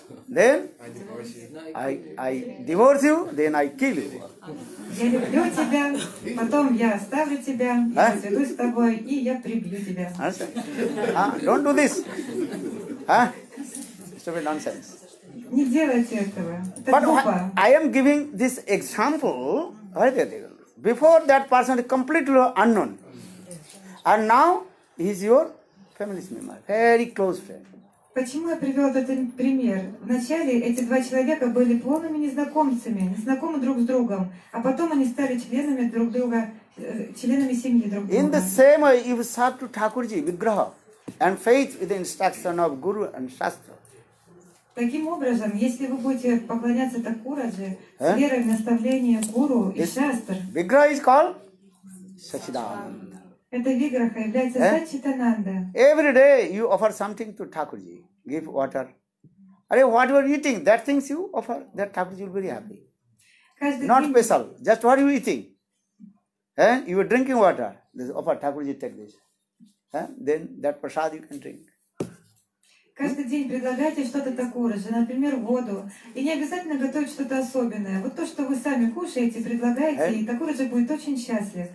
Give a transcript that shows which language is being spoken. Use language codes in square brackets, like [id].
[en] Then I divorce you. Then I kill you. [ru] я люблю тебя, потом я оставлю тебя, я разведусь с тобой, и я прибью тебя. [en] Don't do this. Stupid nonsense. [ru] Не делайте этого. Это [en] but [ru] глупо. [en] I am giving this example. Before that person is completely unknown. And now he is your family member, very close friend. [ru] Почему я привел этот пример? Вначале эти два человека были полными незнакомцами, незнакомы друг с другом, а потом они стали членами друг друга, членами семьи друг друга. [en] In the same way, you serve to Thakurji, vigraha, and faith with the instruction of Guru and Shastra. [ru] Таким образом, если вы будете поклоняться Такураджи, с верой в наставление Гуру и Шастр, Виграха is called Сачидананда. Это виграха является Сачитананда. [en] Every day you offer something to Thakurji. Give water. Are you, what you are eating, that things you offer, that Thakurji will be very happy. Not [ru] день... [en] special, just what you eating. You are drinking water, this offer Thakurji take this. Then that prasad you can drink. [ru] Каждый день предлагайте что-то Такураджи, например, воду. И не обязательно готовить что-то особенное. Вот то, что вы сами кушаете, предлагаете, и Такураджи будет очень счастлив.